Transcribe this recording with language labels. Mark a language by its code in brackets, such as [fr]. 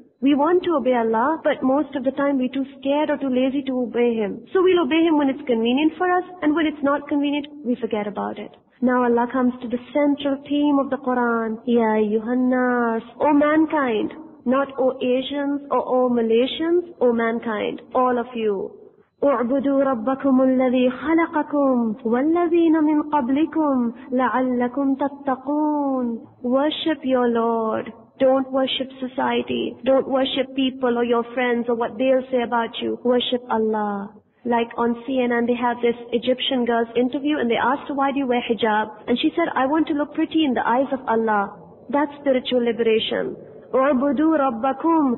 [en] We want to obey Allah, but most of the time we're too scared or too lazy to obey Him. So we'll obey Him when it's convenient for us, and when it's not convenient, we forget about it. Now Allah comes to the central theme of the Quran. Ya Yuhannas, O mankind. Not O Asians or O Malaysians, O mankind, all of you. [ar] اعبدوا ربكم الذي خلقكم والذين من قبلكم لعلكم تتقون. [en] Worship your Lord. Don't worship society. Don't worship people or your friends or what they'll say about you. Worship Allah. Like on CNN, they have this Egyptian girl's interview and they asked her, why do you wear hijab? And she said, I want to look pretty in the eyes of Allah. That's spiritual liberation. [ar] اعبدوا ربكم.